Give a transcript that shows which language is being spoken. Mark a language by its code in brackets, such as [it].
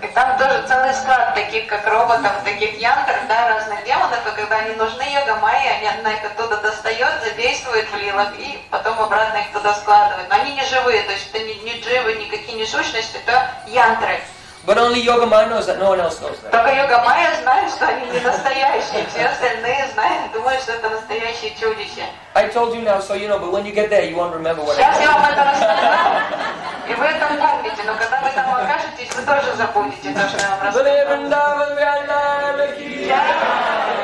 [ru] И там тоже целый склад таких как роботов, таких янтр, да, разных демонов, и когда они нужны Йогамайе, она их оттуда достает, задействует в лилах, и потом обратно их туда складывает. Но они не живые, то есть это не дживы, никакие не сущности, это янтры. [en] But only Yogamaya knows that, no one else knows that. [ru] Только Йогамайя знает, что они не настоящие, все остальные знают, думают, что это настоящие чудища. [en] I told you now, so you know, but when you get there, you won't remember what [ru] Сейчас я вам это расскажу, и вы это помните, но когда вы там окажетесь, вы тоже запомните то, что я вам рассказала.